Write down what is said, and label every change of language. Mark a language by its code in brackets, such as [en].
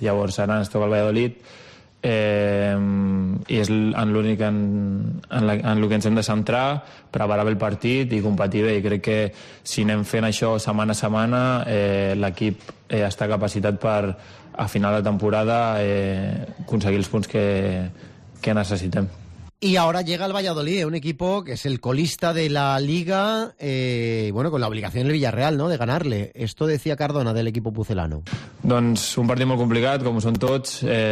[ca] Llavors, ara ens toca el Valladolid i és en l'únic en el que ens hem de centrar, preparar bé el partit i competir bé. I crec que si anem fent això setmana a setmana, l'equip està capacitat per a final de temporada aconseguir els punts que necessitem. [es] Y ahora llega el Valladolid, un equipo que es el colista de la Liga, bueno, con la obligación del Villarreal, ¿no?, de ganarle. Esto decía Cardona del equipo pucelano. [ca] Doncs un partit molt complicat, com són tots.